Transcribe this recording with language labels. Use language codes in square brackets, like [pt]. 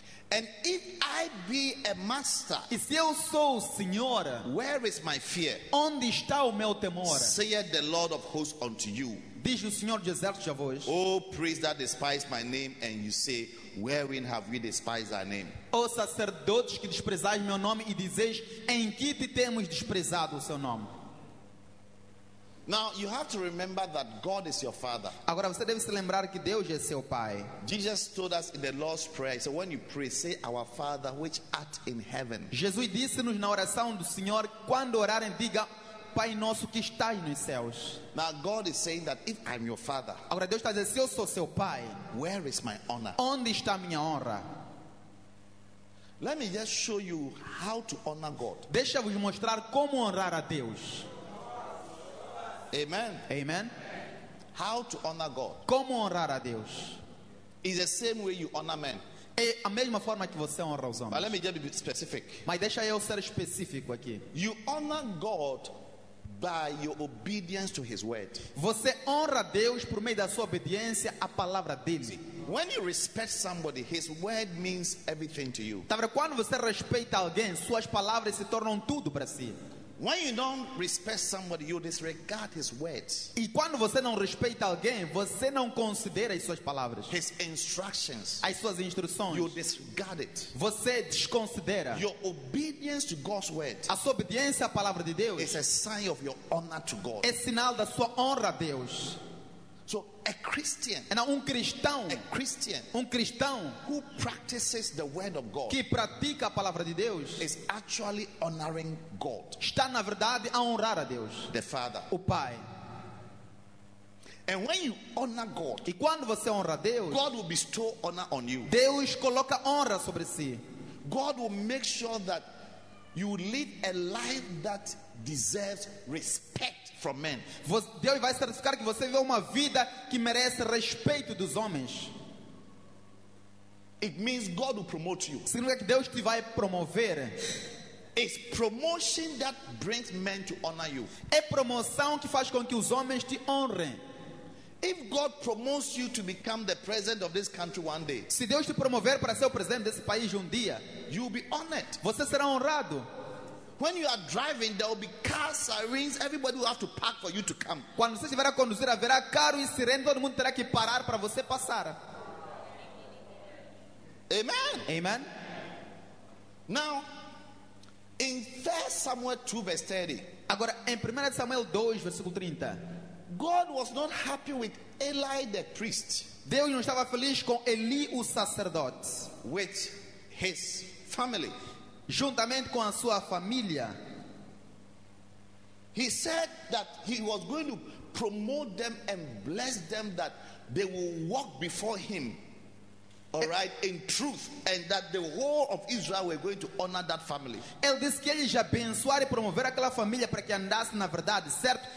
[en] And if I be a master, [pt] e se eu sou o senhor, [en] where is my fear? [pt] Onde está o meu temor? [en] Saith the Lord of hosts unto you. [pt] Diz o Senhor dos exércitos a vós. [en] Oh, priest that despise my name, and you say, wherein have we despised thy name? [pt] Oh, sacerdotes que desprezais meu nome e dizeis, em que te temos desprezado o seu nome? [en] Now you have to remember that God is your father. [pt] Agora você deve se lembrar que Deus é seu pai. [en] Jesus told us in the Lord's prayer, so when you pray, say our Father which art in heaven. [pt] Jesus disse-nos na oração do Senhor, quando orarem diga Pai nosso que estás nos céus. [en] Now God is saying that if I'm your father. [pt] Agora Deus está dizendo, se eu sou seu pai, [en] where is my honor? [pt] Onde está a minha honra? [en] Let me just show you how to honor God. [pt] Deixa-vos mostrar como honrar a Deus. [en] Amen. [pt] Amen. [en] How to honor God? [pt] Como honrar a Deus? [en] Is the same way you honor men. [pt] É a mesma forma que você honra os homens. [en] But let me just be specific. [pt] Mas deixa eu ser específico aqui. [en] You honor God by your obedience to his word. [pt] Você honra Deus por meio da sua obediência à palavra dele. [en] See, when you respect somebody, his word means everything to you. [pt] Tá vendo? Quando você respeita alguém, suas palavras se tornam tudo para si. [en] When you don't respect somebody, you disregard his words. [pt] E quando você não respeita alguém, você não considera as suas palavras. [en] His instructions. [pt] As suas instruções. [en] You disregard it. [pt] Você desconsidera. [en] Your obedience to God's word. [pt] A sua obediência à palavra de Deus. [en] Is a sign of your honor to God. [pt] É sinal da sua honra a Deus. [en] So a Christian. [pt] É um cristão. [en] A Christian. [pt] Um cristão [en] who practices the word of God. [pt] Que pratica a palavra de Deus. [en] Is actually honoring God. [pt] Está na verdade a honrar a Deus. [en] The Father. [pt] O Pai. [en] And when you honor God. [pt] E quando você honra Deus. [en] God will bestow honor on you. [pt] Deus coloca honra sobre si. [en] God will make sure that you live a life that deserves respect. [pt] Deus vai certificar que você vive uma vida que merece respeito dos homens. [en] It means God will promote you. [pt] Significa que Deus te vai promover. [en] It's promotion that brings men to honor you. [pt] É promoção que faz com que os homens te honrem. [en] If God promotes you to become the president of this country one day, [pt] se Deus te promover para ser o presidente desse país dia, [en] you'll be honored. [pt] Você será honrado. [en] When you are driving, there will be cars, sirens. Everybody will have to park for you to come. [pt] Quando você estiver a conduzir, haverá carro e sirene. Todo mundo terá que parar para você passar. [en] Amen. [pt] Amen. [en] Now, in 1 Samuel 2, verse 30. [pt] Agora, em 1 Samuel 2, versículo 30. [en] God was not happy with Eli the priest. [pt] Deus não estava feliz com Eli o sacerdote. [en] With his family. [pt] Juntamente com a sua família. [en] He said that he was going to promote them and bless them that they will walk before him. All right, in truth, and that the whole of Israel were going to honor that family. [pt] Ele disse que ele já abençoar e promover aquela família para que andasse na verdade, certo?